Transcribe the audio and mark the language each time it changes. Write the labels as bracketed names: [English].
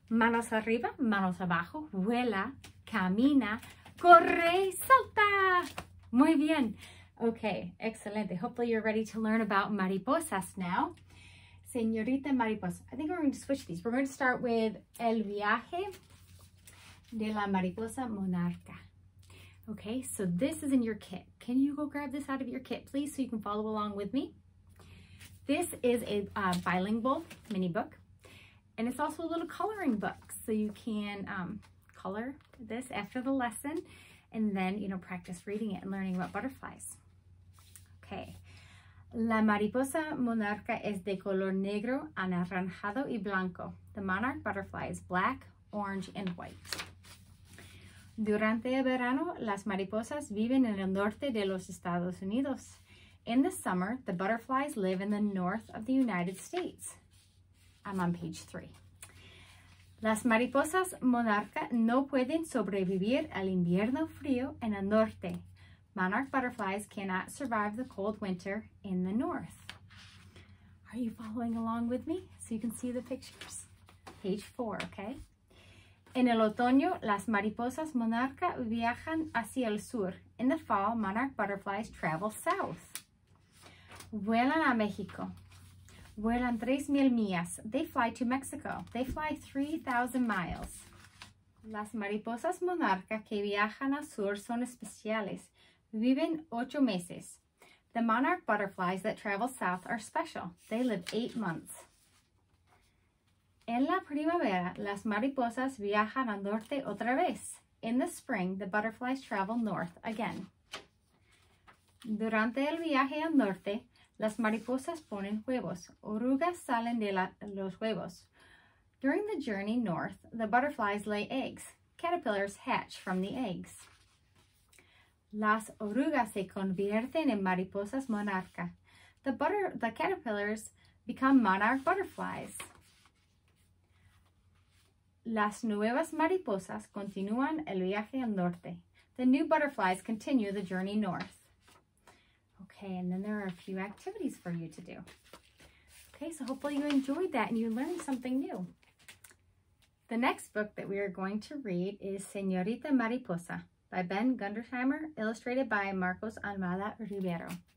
[Spanish] Manos arriba, manos abajo, vuela, camina, corre, salta. Muy bien. Okay, excelente. [English] Hopefully you're ready to learn about mariposas now. Señorita mariposa, I think we're going to switch these. We're going to start with El viaje de la mariposa monarca. Okay, so this is in your kit. Can you go grab this out of your kit, please, so you can follow along with me? This is a bilingual mini book. And it's also a little coloring book, so you can color this after the lesson and then, you know, practice reading it and learning about butterflies. Okay, [Spanish] La mariposa monarca es de color negro, anaranjado y blanco. [English] The monarch butterfly is black, orange, and white. [Spanish] Durante el verano, las mariposas viven en el norte de los Estados Unidos. [English] In the summer, the butterflies live in the north of the United States. I'm on page 3. [Spanish] Las mariposas monarca no pueden sobrevivir al invierno frío en el norte. [English] Monarch butterflies cannot survive the cold winter in the north. Are you following along with me so you can see the pictures? Page 4, okay? [Spanish] En el otoño, las mariposas monarca viajan hacia el sur. [English] In the fall, monarch butterflies travel south. [Spanish] Vuelan a México. Vuelan 3,000 millas. [English] They fly to Mexico. They fly 3,000 miles. [Spanish] Las mariposas monarca que viajan al sur son especiales. Viven 8 meses. [English] The monarch butterflies that travel south are special. They live 8 months. [Spanish] En la primavera, las mariposas viajan al norte otra vez. [English] In the spring, the butterflies travel north again. [Spanish] Durante el viaje al norte, las mariposas ponen huevos. Orugas salen de los huevos. [English] During the journey north, the butterflies lay eggs. Caterpillars hatch from the eggs. [Spanish] Las orugas se convierten en mariposas monarca. [English] The caterpillars become monarch butterflies. [Spanish] Las nuevas mariposas continúan el viaje al norte. [English] The new butterflies continue the journey north. Okay, and then there are a few activities for you to do. Okay, so hopefully you enjoyed that and you learned something new. The next book that we are going to read is Señorita Mariposa by Ben Gundersheimer, illustrated by Marcos Almada Rivero.